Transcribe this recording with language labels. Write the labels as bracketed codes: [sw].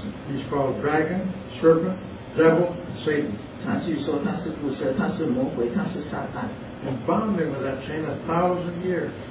[en] He's called dragon, serpent, devil, Satan. [zh] 他据说他是古蛇，他是魔鬼，他是撒旦。 [en] And bound him with that chain 1,000 years.